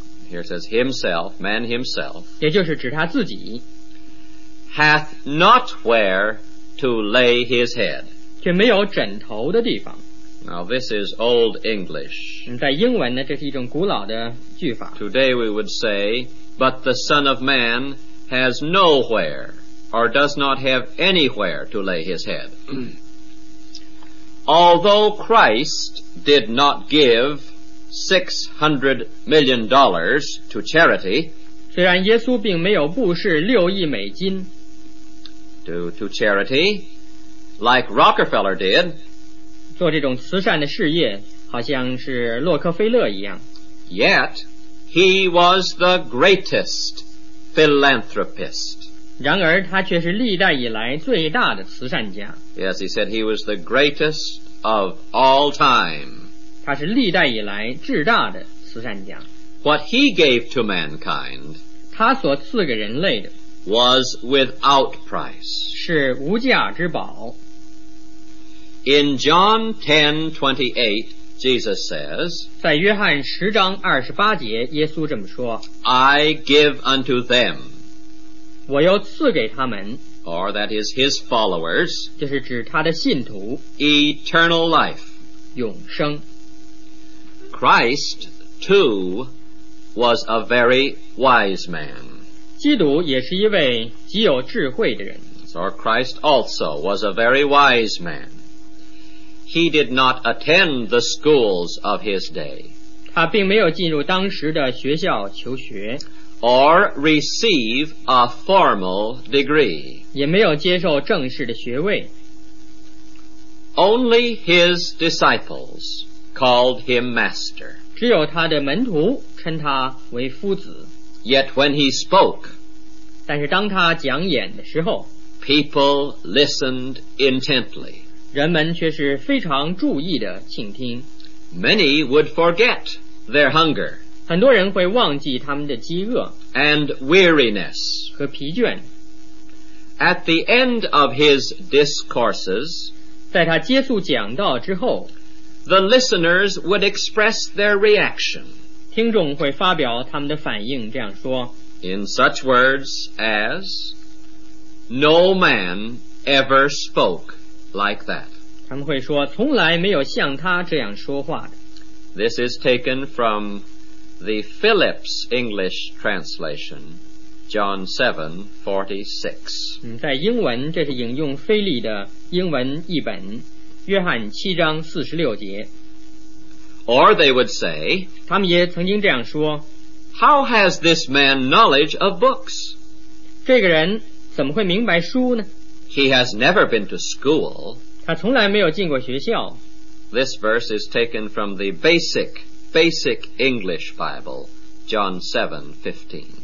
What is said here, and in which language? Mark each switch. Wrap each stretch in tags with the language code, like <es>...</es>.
<en>Here says himself, man himself,</en> <zh>也就是指他自己,</zh> <en>hath not where to lay his head,</en> <zh>却没有枕头的地方。</zh> <en>Now this is old English.</en> <zh>在英文呢，这是一种古老的句法。</zh> <en>Today we would say, but the Son of Man has nowhere, or does not have anywhere to lay his head. Although Christ did not give $600 million to charity,</en> <zh>虽然耶稣并没有布施六亿美金</zh> <en>to charity, like Rockefeller did,</en> <zh>做这种慈善的事业，好像是洛克菲勒一样。</zh> <en>Yet he was the greatest philanthropist.</en> <zh>然而他却是历代以来最大的慈善家。</zh> <en>Yes, he said he was the greatest of all time.</en> <zh>他是历代以来至大的慈善家。</zh> <en>What he gave to mankind</en> <zh>他所赐给人类的</zh> <en>was without price.</en> <zh>是无价之宝。</zh> <en>In John 10:28, Jesus says,</en> <zh>在约翰十章二十八节耶稣这么说</zh> <en>I give unto them,</en> <zh>我要赐给他们</zh> <en>or that is his followers</en> <zh>就是指他的信徒</zh> <en>eternal life</en> <zh>永生</zh> <en>Christ too was a very wise man</en> <zh>基督也是一位极有智慧的人</zh> <en>so Christ also was a very wise man he did not attend the schools of his day</en> <zh>他并没有进入当时的学校求学</zh> <en>or receive a formal degree</en> <zh>也没有接受正式的学位</zh> <en>only his disciples called him master</en> <zh>只有他的门徒称他为夫子</zh> <en>Yet when he spoke,</en> <zh>但是当他讲演的时候，</zh> <en>people listened intently.</en> <zh>人们却是非常注意地倾听。</zh> <en>Many would forget their hunger.</en> <zh>很多人会忘记他们的饥饿。</zh> <en>And weariness.</en> <zh>和疲倦。</zh> <en>At the end of his discourses,</en> <zh>在他结束讲道之后，</zh> <en>the listeners would express their reaction.</en> <zh>听众会发表他们的反应，这样说</zh> <en>In such words as No man ever spoke like that.</en> <zh>他们会说从来没有像他这样说话的。</zh> <en>This is taken from the Phillips English translation, John 7:46.</en> <zh>在英文，这是引用菲利的英文译本，约翰七章四十六节。</zh> <en>Or they would say,</en> <zh>他们也曾经这样说，</zh> <en>How has this man knowledge of books?</en> <zh>这个人怎么会明白书呢？</zh> <en>He has never been to school.</en> <zh>他从来没有进过学校。</zh> <en>This verse is taken from the basic English Bible, John 7:15.</en>